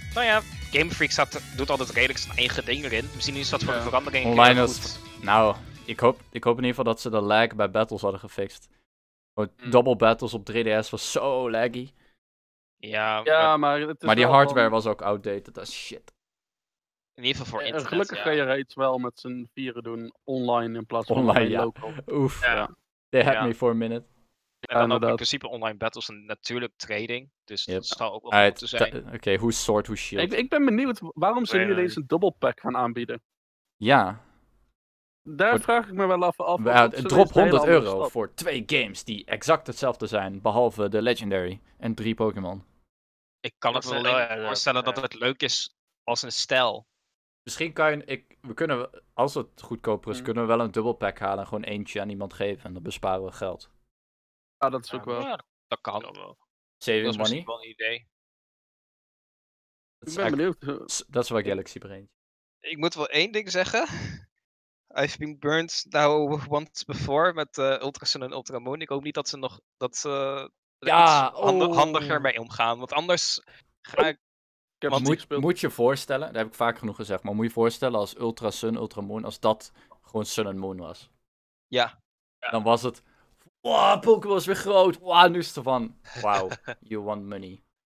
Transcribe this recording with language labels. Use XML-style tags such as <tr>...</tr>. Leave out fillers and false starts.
<nl>Nou ja, Game Freak doet altijd redelijk zijn eigen ding erin. Misschien is dat voor een verandering. Online is... Nou, ik hoop in ieder geval dat ze de lag bij battles hadden gefixt. Double battles op 3DS was zo laggy. Ja, maar het is maar die wel hardware was ook</nl> <en>outdated as shit.</en> <nl>In ieder geval voor internet, en gelukkig kun je reeds wel met z'n vieren doen online in plaats van online, local.</nl> <en>Oef, they had me for a minute.</en> <nl>En dan ook in principe online battles en natuurlijk trading, dus dat zou ook wel goed te zijn. Oké, hoe Sword, hoe Shield. Ik ben benieuwd, waarom ze jullie deze double pack gaan aanbieden? Ja. Daar vraag ik me wel even af. Drop 100 euro voor twee games die exact hetzelfde zijn, behalve de Legendary en drie Pokémon. Ik kan het wel voorstellen dat het leuk is als een stijl. Misschien kunnen we, als het goedkoper is, kunnen we wel een dubbelpack halen en gewoon eentje aan iemand geven. En dan besparen we geld. Ja, dat is ook wel. Ja, dat kan wel.</nl> <en>Saving</en> <nl>dat</nl> <en>money?</en> <nl>Dat is wel een idee. Dat ik ben benieuwd. Dat is wel Galaxy Brain. Ik moet wel één ding zeggen.</nl> <en>I've been burned now once before</en> <nl>met</nl> <en>Ultra Sun en Ultra Moon.</en> <nl>Ik hoop niet dat ze nog handiger mee omgaan. Want anders ga ik... Moet je voorstellen, dat heb ik vaak genoeg gezegd, maar moet je voorstellen als Ultra Sun, Ultra Moon, als dat gewoon Sun en Moon was. Ja. Dan was het, wow, Pokémon is weer groot, wow, nu is het ervan, wow,</nl> <en>you want money.</en>